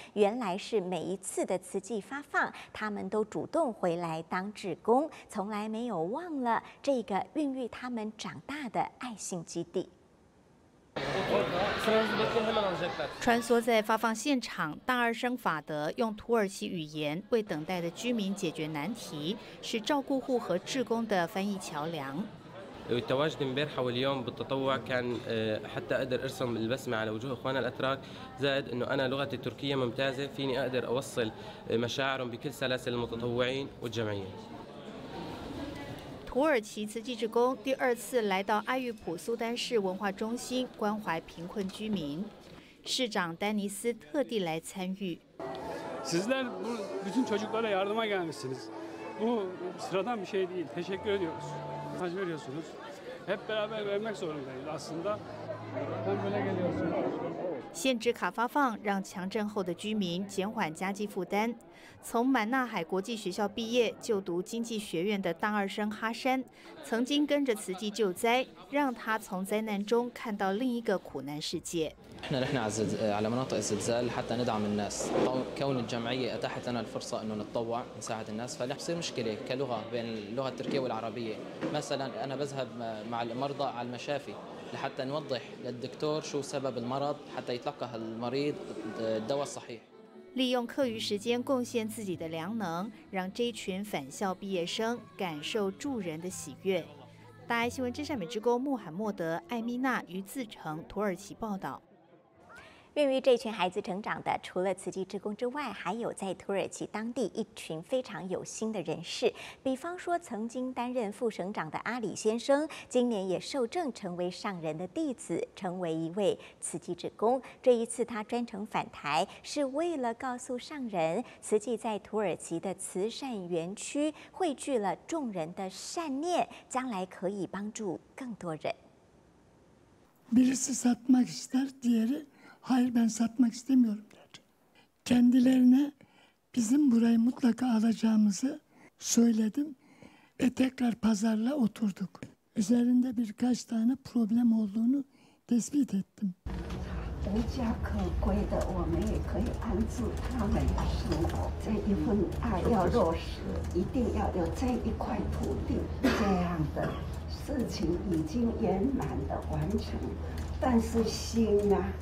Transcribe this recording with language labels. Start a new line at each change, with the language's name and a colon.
Chinese: 原来是每一次的慈济发放，他们都主动回来当志工，从来没有忘了这个孕育他们长大的爱心基地。穿梭在发放现场，大二生法德用土耳其语言为等待的居民解决难题，是照顾户和志工的翻译桥梁。
Arabic: تواجد امبارح واليوم بالتطوع كان حتى اقدر ارسم البسمه على وجوه اخواننا الاتراك زائد انه انا لغتي التركيه ممتازه فيني اقدر اوصل مشاعرهم بكل سلاسل المتطوعين والجمعيه。
Chinese: 土耳其慈济志工第二次来到埃玉普苏丹市文化中心关怀贫困居民，市长丹尼斯特地来参与。
Turkish: sizler bütün çocuklara yardıma gelmişsiniz. Bu sıradan bir şey değil. Teşekkür ediyoruz.
Chinese: 限制卡发放让强震后的居民减缓家计负担。从满纳海国际学校毕业就读经济学院的大二生哈山，曾经跟着慈济救灾，让他从灾难中看到另一个苦难世界。
Arabic: احنا رحنا على مناطق الزلزال حتى ندعم الناس، كون الجمعية اتاحت لنا الفرصة انه نتطوع نساعد الناس، فبصير مشكلة كلغة بين اللغة التركية والعربية، مثلا انا بذهب مع المرضى على المشافي لحتى نوضح للدكتور شو سبب المرض حتى يتلقى المريض الدواء الصحيح。
Chinese: 利用课余时间贡献自己的良能，让这群返校毕业生感受助人的喜悦。大爱新闻真善美之工穆罕默德、艾米娜于自成土耳其报道。孕育这群孩子成长的，除了慈济志工之外，还有在土耳其当地一群非常有心的人士。比方说，曾经担任副省长的阿里先生，今年也受证成为上人的弟子，成为一位慈济志工。这一次他专程返台，是为了告诉上人，慈济在土耳其的慈善园区汇聚了众人的善念，将来可以帮助更多人。
Turkish: Birisi satmak ister, diğeri... Hayır ben satmak istemiyorum dedi. Kendilerine bizim burayı mutlaka alacağımızı söyledim ve tekrar pazarla oturduk. Üzerinde birkaç tane problem olduğunu tespit ettim.
Chinese: 无家可归的，我们也可以帮助他们的生活。这一份爱要落实，一定要有这一块土地。这样的事情已经圆满的完成，但是心呢？